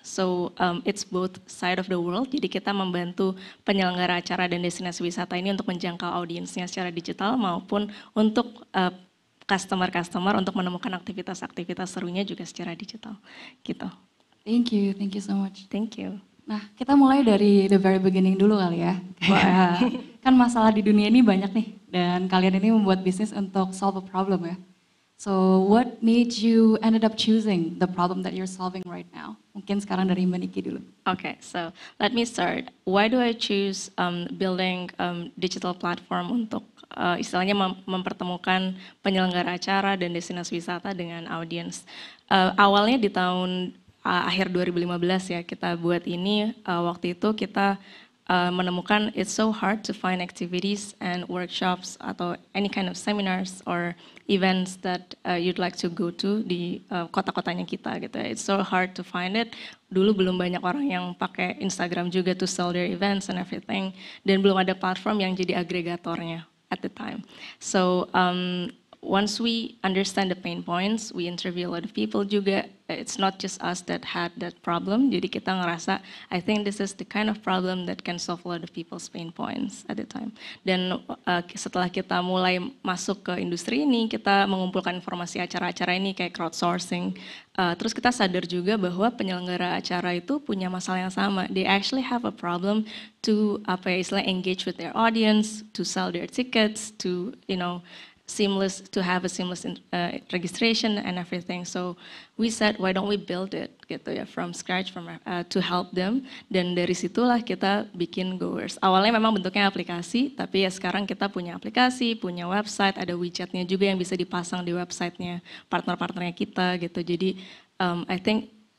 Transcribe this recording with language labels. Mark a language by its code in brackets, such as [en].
[en] So it's both side of the world. [id] Jadi kita membantu penyelenggara acara dan destinasi wisata ini untuk menjangkau audiensnya secara digital maupun untuk customer-customer untuk menemukan aktivitas-aktivitas serunya juga secara digital. Gitu. [en] Thank you so much. Thank you. [id] Nah, kita mulai dari [en] the very beginning [id] dulu kali ya. Kan masalah di dunia ini banyak nih dan kalian ini membuat bisnis untuk [en] solve a problem [id] ya. [en] So what made you ended up choosing the problem that you're solving right now? [id] Mungkin sekarang dari Mbak Niki dulu. [en] Okay, so let me start. Why do I choose building digital platform [id] untuk istilahnya mempertemukan penyelenggara acara dan destinasi wisata dengan audiens? Awalnya di tahun akhir 2015 ya kita buat ini, waktu itu kita menemukan [en] it's so hard to find activities and workshops atau any kind of seminars or events that you'd like to go to [id] di kota-kotanya kita gitu. [en] It's so hard to find it. [id] Dulu belum banyak orang yang pakai Instagram juga [en] to sell their events and everything, [id] dan belum ada platform yang jadi agregatornya [en] at the time. So once we understand the pain points, we interview a lot of people juga. It's not just us that had that problem. [id] Jadi kita ngerasa, [en] I think this is the kind of problem that can solve a lot of people's pain points at the time. [id] Dan setelah kita mulai masuk ke industri ini, kita mengumpulkan informasi acara-acara ini kayak crowdsourcing. Terus kita sadar juga bahwa penyelenggara acara itu punya masalah yang sama. [en] They actually have a problem to [id] apa ya, istilah [en] engage with their audience, to sell their tickets, to, you know, seamless, to have a seamless registration and everything. So we said, why don't we build it gitu ya, from scratch to help them. [id] Dan dari situlah kita bikin GOERS. Awalnya memang bentuknya aplikasi, tapi ya sekarang kita punya aplikasi, punya website, ada widgetnya juga yang bisa dipasang di websitenya partner-partnernya kita gitu. Jadi [en] I think